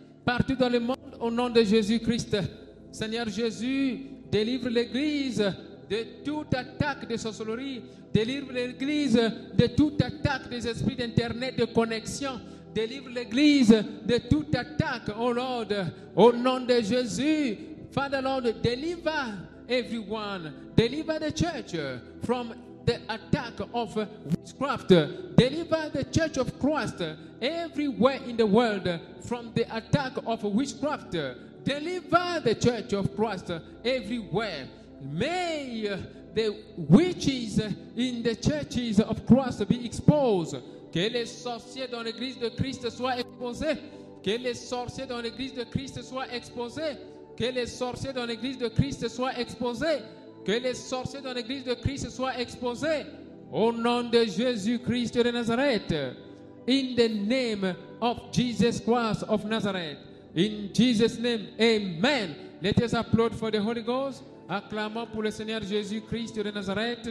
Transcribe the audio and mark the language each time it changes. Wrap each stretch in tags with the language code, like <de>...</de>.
<fr>Partout dans le monde, au nom de Jésus-Christ, Seigneur Jésus, délivre l'Église de toute attaque de sorcellerie, délivre l'Église de toute attaque des esprits d'Internet, de connexion, délivre l'Église de toute attaque,</fr> <en>oh Lord,</en> <fr>au nom de Jésus.</fr> <en>Father Lord, deliver everyone, deliver the church from the attack of witchcraft, deliver the church of Christ everywhere in the world from the attack of witchcraft, deliver the church of Christ everywhere. May the witches in the churches of Christ be exposed.</en> <fr>Que les sorciers dans l'église de Christ soient exposés. Que les sorciers dans l'église de Christ soient exposés. Que les sorciers dans l'église de Christ soient exposés. Que les sorciers dans l'église de Christ soient exposés. Au nom de Jésus Christ de Nazareth.</fr> <en>In the name of Jesus Christ of Nazareth. In Jesus' name, amen. Let us applaud for the Holy Ghost.</en> <fr>Acclamons pour le Seigneur Jésus Christ de Nazareth.</fr>